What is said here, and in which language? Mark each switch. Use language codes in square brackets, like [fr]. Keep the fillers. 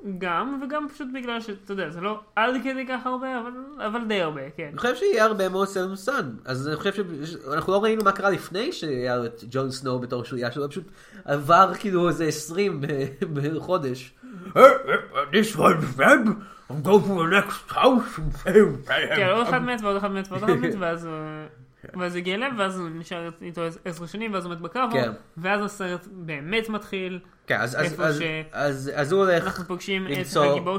[he] גם, וגם פשוט בגלל שאתה יודע, זה לא עד כדי כך הרבה, אבל, אבל, די הרבה, כן. אני חושב שיהיה הרבה מאוד סב נפסן. אז אני חושב שאנחנו לא ראינו מה קרה לפני שהיה את ג'ון סנואו בתור שהייה שלו, פשוט עבר כאילו איזה 20 בחודש. [en] This one's red. I'm going to the next house and say red. [he] כן, עוד אחד מת ועוד אחד מת ועוד אחד מת, ואז הוא... ואז הגיע אליהם, ואז הוא נשאר איתו עשר שנים, ואז הוא מת בקרב, ואז הסרט באמת מתחיל. כן, אז, הוא הולך אנחנו פוגשים את הגיבור